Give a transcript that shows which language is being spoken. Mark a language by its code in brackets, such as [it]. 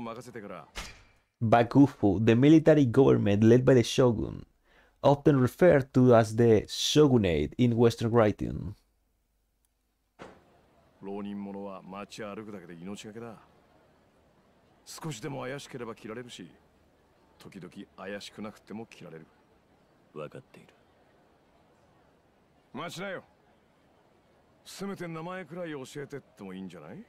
[ja] ニーボリ松助を名乗って屋敷町南の風呂屋に行く。それで情報屋に会えるんだったな。ああ。ただ夜までしばらく時間がある。新選組には気をつけた方がいいよ。分かってるとは思うけど、幕府が連中に今日の治安維持を任せてから。幕府, [en] the military government led by the shogun, often referred to as the shogunate in Western writing. [ja] 浪人者は街歩くだけで命がけだ。少しでも怪しければ切られるし、時々怪しくなくても切られる。分かっている。待ちなよ。せめて名前くらい教えてってもいいんじゃない？